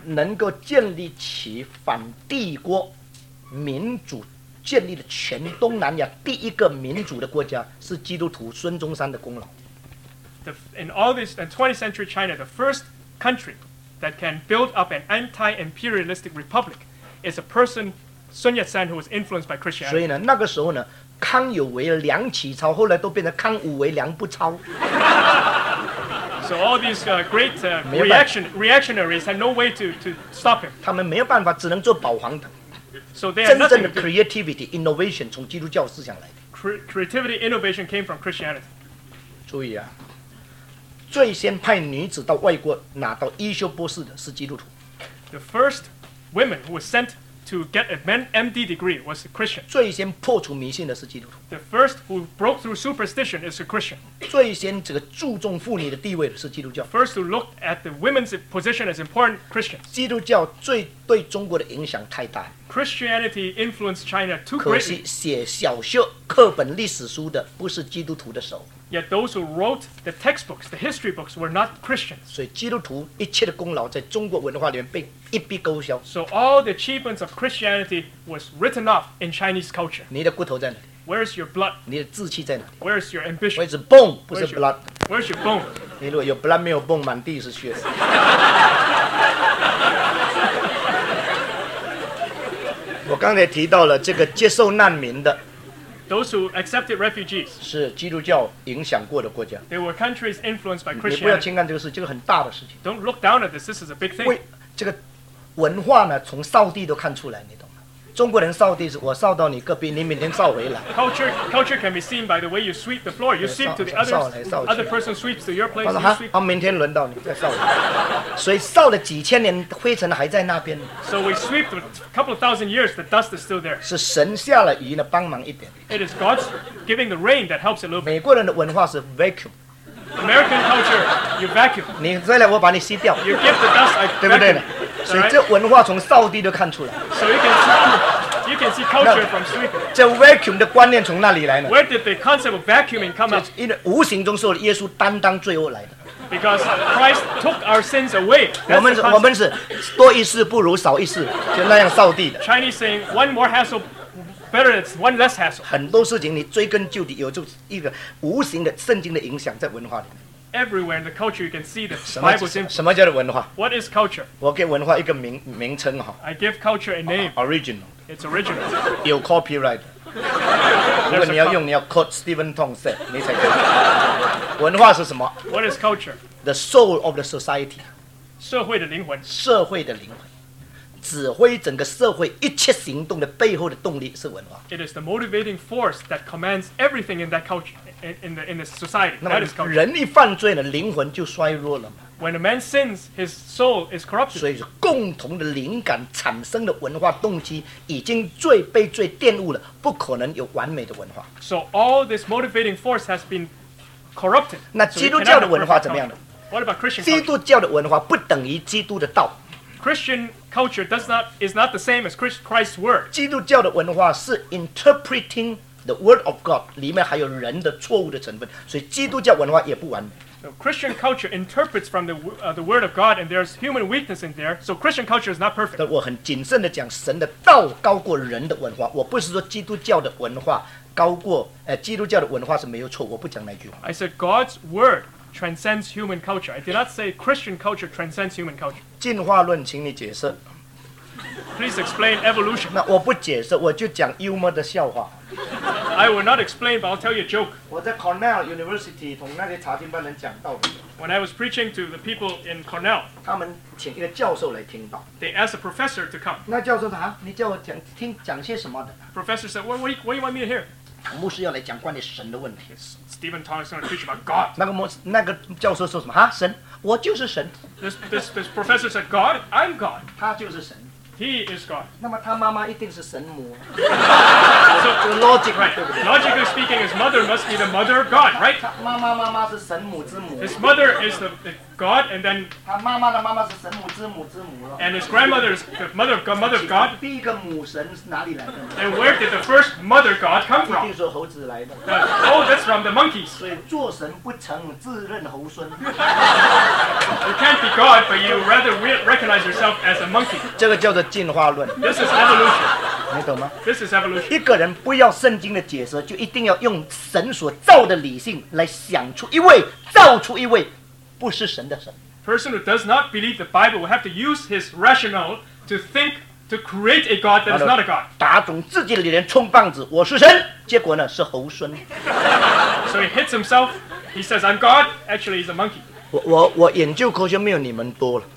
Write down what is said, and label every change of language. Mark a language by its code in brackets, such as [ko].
[zh] 能够建立起反帝国民主，建立了全东南亚第一个民主的国家，是基督徒孙中山的功劳。 [en] In all this, in 20th century China, the first country that can build up an anti-imperialistic republic is a person. 孙中山 who was influenced by Christianity. [zh] 所以呢，那个时候呢，康有为、梁启超，后来都变成康有为、梁不超。 [en] So all these great reactionaries had no way to stop him. [zh] 他们没有办法，只能做保皇党。 [en] So they had nothing. [zh] 真正的 [en] creativity innovation [zh] 从基督教思想来的。 [en] Creativity innovation came from Christianity. [zh] 注意啊，最先派女子到外国拿到医修博士的是基督徒。 [en] The first women who were sent. To get a MD degree was a Christian. [zh] 最先破除迷信的是基督徒。 [en] The first who broke through superstition is a Christian. [zh] 最先这个注重妇女的地位的是基督教。 [en] First to look at the women's position as important Christians. [zh] 基督教最对中国的影响太大。 [en] Christianity influenced China too greatly. [zh] 可是写小学课本历史书的不是基督徒的手。 [en] Yet those who wrote the textbooks, the history books, were not Christians. [zh] 所以基督徒一切的功劳在中国文化里面被一笔勾销。 [en] So all the achievements of Christianity was written off in Chinese culture. [zh] 你的骨头在哪里？ [en] Where's your blood? [zh] 你的志气在哪里？ [en] Where's your ambition? [zh] 我一直 bone 不是 blood. [en] Where's your bone? [zh] 你如果有 blood 没有 bone, 满地是血。我刚才提到了这个接受难民的。 [en] Those who accepted refugees. [zh] 是基督教影响过的国家。 [en] They were countries influenced by Christianity. [zh] 你不要轻看这个事，这个很大的事情。 [en] Don't look down at this. This is a big thing. [zh] 这个文化呢，从扫地都看出来，你懂。中国人扫地是我扫到你隔壁，你明天扫回来。 [en] Culture can be seen by the way you sweep the floor. You sweep to the other person sweeps to your place. [zh] 我说哈，好，明天轮到你再扫。所以扫了几千年，灰尘还在那边。 [en] So we sweep a couple of thousand years, the dust is still there. [zh] 是神下了雨呢，帮忙一点。 [en] It is God's giving the rain that helps a little. [zh] 美国人的文化是 vacuum。 [en] American culture, you vacuum. [zh] 你再来，我把你吸掉。 [en] You give the dust, I vacuum. [zh] 对不对？所以这文化从扫地都看出来。 [en] So you can see culture from sweeping. [zh] 这 vacuum 的观念从哪里来呢？ [en] Where did the concept of vacuuming come up? [zh] 因为无形中受了耶稣担当罪恶来的。 [en] Because Christ took our sins away. [zh] 我们是多一事不如少一事，就那样扫地的。 [en] Chinese saying one more hassle, better it's one less hassle. [zh] 很多事情你追根究底，有就一个无形的圣经的影响在文化里面。 [en] Everywhere in the culture, you can see the Bible symbol. [zh] 什么叫做文化？ [en] What is culture? [zh] 我给文化一个名称哈。 [en] I give culture a name. Original. It's original. [zh] 有 copyright. 如果你要用，你要 [en] quote Stephen Tong said, [zh] 你才可以。文化是什么？ [en] What is culture? The soul of the society. [zh] 社会的灵魂。社会的灵魂，指挥整个社会一切行动的背后的动力是文化。 [en] It is the motivating force that commands everything in that culture. In the society, that is culture. [zh] 人一犯罪呢，灵魂就衰弱了嘛。 [en] When a man sins, his soul is corrupted. [zh] 所以是共同的灵感产生的文化动机，已经罪被罪玷污了，不可能有完美的文化。 [en] So all this motivating force has been corrupted. [zh] 那基督教的文化怎么样呢？ [en] What about Christian culture? [zh] 基督教的文化不等于基督的道。 [en] Christian culture is not the same as Christ's word. [zh] 基督教的文化是 [en] interpreting. The Word of God [zh] 里面还有人的错误的成分，所以基督教文化也不完美。 [en] So Christian culture interprets from the Word of God, and there's human weakness in there. So Christian culture is not perfect. [zh] 但我很谨慎的讲，神的道高过人的文化。我不是说基督教的文化高过，基督教的文化是没有错。我不讲那句话。 [en] I said God's Word transcends human culture. I did not say Christian culture transcends human culture. [zh] 进化论，请你解释。 [en] Please explain evolution. [zh] 那我不解释，我就讲幽默的笑话。 [en] I will not explain, but I'll tell you a joke. [zh] 我在 Cornell University 同那些查经班人讲道理。 [en] When I was preaching to the people in Cornell, [zh] 他们请一个教授来听道。 [en] They asked a professor to come. [zh] 那教授说：“你叫我讲些什么的 [en] ？”Professor said, "What do you want me to hear?" [zh] 牧师要来讲关于神的问题。 [en] Stephen Tong is going to preach about God. [zh] 那个教授说什么？神，我就是神。 [en] This professor said, "God, I'm God." [zh] 他就是神。 [en] He is God. [zh] 那么他妈妈一定是神母。 [en] So logic, right? [zh] 对不对？ [en] Logically speaking, his mother must be the mother of God, right? [zh] 他妈妈是神母之母。 [en] His mother is the God, and then [zh] 他妈妈的妈妈是神母之母之母了。 [en] And his grandmother is the mother of God, mother of God. [zh] 第一个母神是哪里来的？ [en] And where did the first mother God come from? [zh] 一定是猴子来的。 [en] Oh, that's from the monkeys. [zh] 所以做神不成，自认猴孙。 [en] You can't be God, but you rather recognize yourself as a monkey. [zh] 这个叫做进化论。 [en] This is evolution. [zh] 你懂吗？ [en] This is evolution. [zh] 一个人不要圣经的解释，就一定要用神所造的理性来想出一位，造出一位不是神的神。 [en] Person who does not believe the Bible will have to use his rationale to think to create a God that is not a God. [zh] 打肿自己的脸充棒子，我是神，结果呢是猴孙。 [en] So he hits himself. He says, "I'm God." Actually, he's a monkey. [zh] 我研究科学没有你们多了。